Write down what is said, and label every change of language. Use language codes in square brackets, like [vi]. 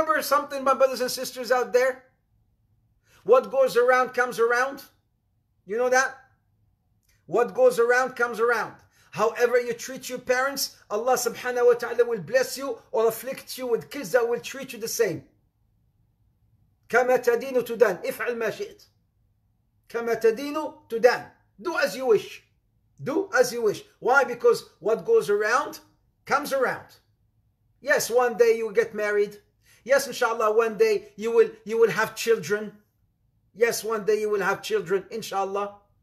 [en] remember something, my brothers and sisters out there? What goes around comes around. You know that? What goes around comes around. However you treat your parents, Allah subhanahu wa ta'ala will bless you or afflict you with kids that will treat you the same. [ar] كَمَا تَدِينُ تُدَانُ إِفْعَلْ مَا شِئْتُ كَمَا تَدِينُ تُدَانُ [en] Do as you wish. Do as you wish. Why? Because what goes around comes around. Yes, one day you will get married. Yes, inshallah, one day you will have children. Yes, one day you will have children, inshallah.